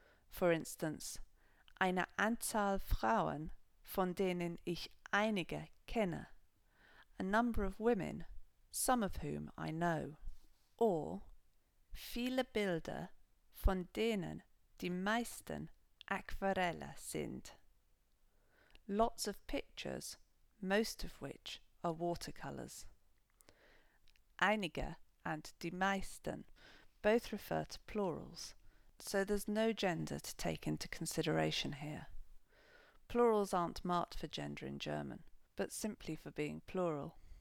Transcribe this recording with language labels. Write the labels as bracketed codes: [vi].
[en] For instance, [de] eine Anzahl Frauen, von denen ich einige kenne. [en] A number of women, some of whom I know. [de] Or viele Bilder, von denen die meisten Aquarelle sind. [en] Lots of pictures, most of which are watercolours. Einige and die meisten both refer to plurals, so there's no gender to take into consideration here. Plurals aren't marked for gender in German, but simply for being plural.